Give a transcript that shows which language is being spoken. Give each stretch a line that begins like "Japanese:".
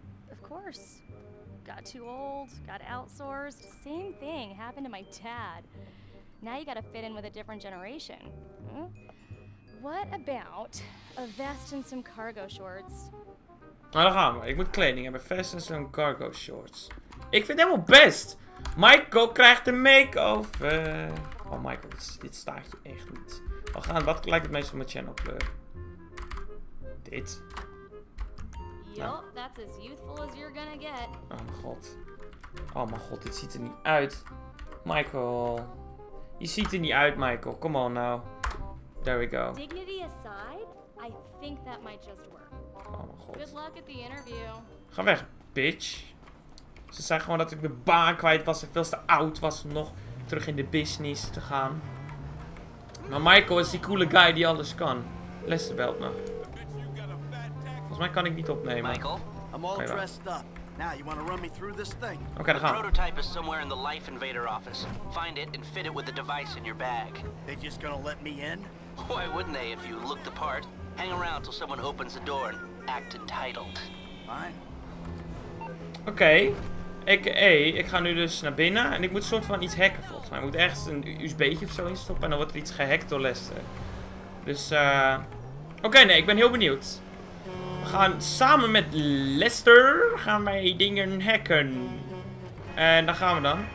English: Of course. Got too old, got outsourced. Same thing happened to my dad. Now you gotta fit in with a different generation. What about a vest and some cargo shorts?
Dutch: Nou, daar gaan we. Ik moet kleding hebben. Vest en zo'n cargo shorts. Ik vind het helemaal best. Michael krijgt een makeover. Oh, Michael, dit staat je echt niet. Wat lijkt het meest op mijn channel kleur? Dit.
English: Yo, that's as youthful as you're gonna get.
Dutch: Oh, mijn god. Oh, mijn god, dit ziet er niet uit. Michael. Je ziet er niet uit, Michael.
English: Come on now. There we go. Dignity aside, I think that might just work.
Dutch: Oh mijn god.
English: Good luck at the interview.
Dutch: Ga weg, bitch. Ze zei gewoon dat ik de baan kwijt was en veel te oud was om nog terug in de business te gaan. Maar Michael is die coole guy die alles kan. Lester belt me. Volgens mij kan ik niet opnemen.
English: Michael, I'm all dressed up. Now you want to run me through this thing?
Dutch: Oké, dan gaan.
English: The prototype is somewhere in the Life Invader office. Find it and fit it with the device in your bag. They just gonna let me in? Why wouldn't they if you look the part? Hang around till someone opens the door and act entitled. Fine.
Dutch: Oké. Okay. Ik ga nu dus naar binnen en ik moet soort van iets hacken volgens mij. Ik moet ergens een USB'tje of zo instoppen en dan wordt er iets gehackt door Lester. Dus Oké, nee, ik ben heel benieuwd. We gaan samen met Lester gaan wij dingen hacken. En daar gaan we dan.